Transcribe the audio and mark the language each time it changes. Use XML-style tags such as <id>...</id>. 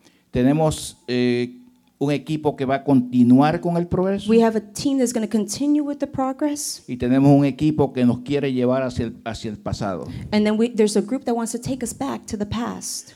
<es>Tenemos un equipo que va a continuar con el progreso.</es> <en>We have a team that's going to continue with the progress.</en> <es>Y tenemos un equipo que nos quiere llevar hacia el pasado.</es> <en>And then there's a group that wants to take us back to the past.</en>